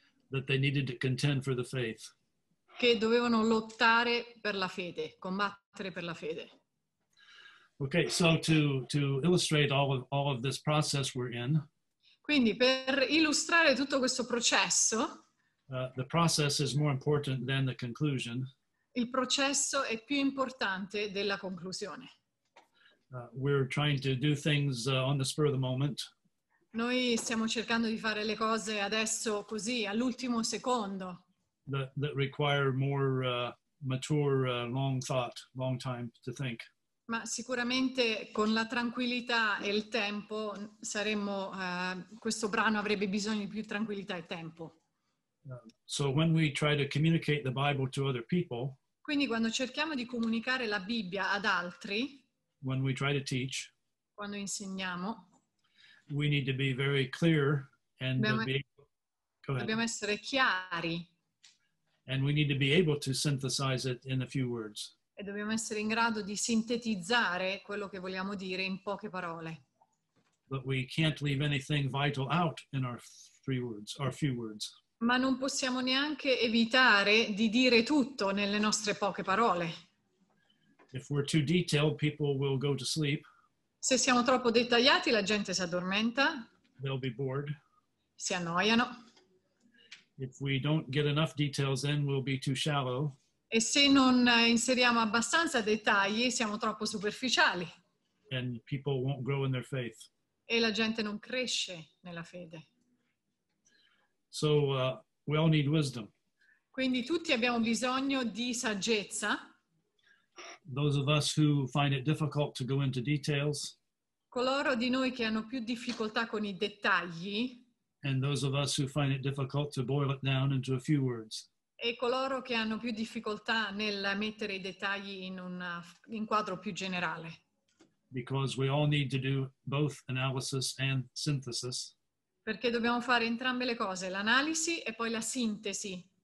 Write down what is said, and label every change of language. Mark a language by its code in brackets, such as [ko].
[en] That they needed to contend for the faith. [it] Che dovevano lottare per la fede, combattere per la fede. [en] Okay, so to illustrate all of this process we're in. [it] Quindi per illustrare tutto questo processo. [en] The process is more important than the conclusion. [it] Il processo è più importante della conclusione. [en] We're trying to do things on the spur of the moment. [it] Noi stiamo cercando di fare le cose adesso così, all'ultimo secondo. [en] That require more mature long thought, long time to think. [it] Ma sicuramente con la tranquillità e il tempo saremmo, questo brano avrebbe bisogno di più tranquillità e tempo. [en] So when we try to communicate the Bible to other people, [it] quindi quando cerchiamo di comunicare la Bibbia ad altri, [en] when we try to teach, [it] quando insegniamo, [en] we need to be very clear and [it] dobbiamo essere chiari. [en] And we need to be able to synthesize it in a few words. [it] E dobbiamo essere in grado di sintetizzare quello che vogliamo dire in poche parole. [en] But we can't leave anything vital out in our three words, our few words. [it] Ma non possiamo neanche evitare di dire tutto nelle nostre poche parole. [en] If we're too detailed, people will go to sleep. [it] Se siamo troppo dettagliati, la gente si addormenta. [en] They'll be bored. [it] Si annoiano. [en] If we don't get enough details in, we'll be too shallow. [it] E se non inseriamo abbastanza dettagli, siamo troppo superficiali. [en] And people won't grow in their faith. [it] E la gente non cresce nella fede. [en] So we all need wisdom. [it] Quindi tutti abbiamo bisogno di saggezza. [en] Those of us who find it difficult to go into details. [it] Coloro di noi che hanno più difficoltà con i dettagli. [en] And those of us who find it difficult to boil it down into a few words. [it] E coloro che hanno più difficoltà nel mettere i dettagli in un quadro più generale. [en] Because we all need to do both analysis and synthesis. [it] Perché dobbiamo fare entrambe le cose, l'analisi e poi la sintesi.